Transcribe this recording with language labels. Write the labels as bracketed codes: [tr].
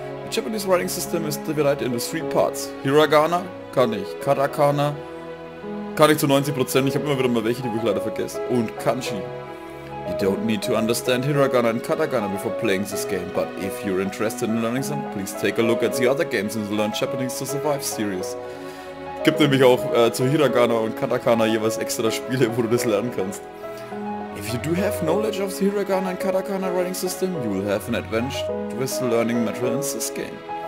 [en] The Japanese writing system is divided into three parts. [de] Hiragana kann ich, Katakana kann ich zu 90%, ich habe immer wieder mal welche, die ich leider vergesse, und Kanji. [en] You don't need to understand Hiragana and Katakana before playing this game, but if you're interested in learning some, please take a look at the other games in the Learn Japanese to Survive series. [de] Es gibt nämlich auch zu Hiragana und Katakana jeweils extra Spiele, wo du das lernen kannst. [en] If you do have knowledge of the Hiragana and Katakana writing system, you will have an advantage with the learning material in this game.